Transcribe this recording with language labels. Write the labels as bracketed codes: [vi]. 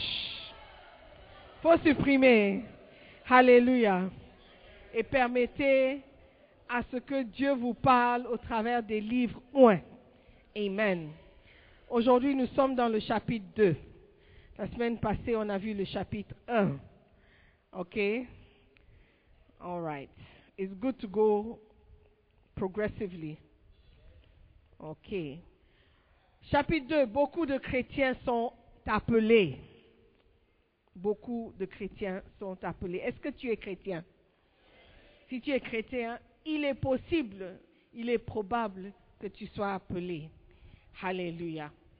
[fr] Il faut supprimer. Hallelujah. Et permettez à ce que Dieu vous parle au travers des livres oints. Amen. Aujourd'hui, nous sommes dans le chapitre 2. La semaine passée, on a vu le chapitre 1. [en] OK? All right. It's good to go progressively. [fr] OK. Chapitre 2. Beaucoup de chrétiens sont appelés. Beaucoup de chrétiens sont appelés. Est-ce que tu es chrétien? Si tu es chrétien, il est possible, il est probable que tu sois appelé. Alléluia.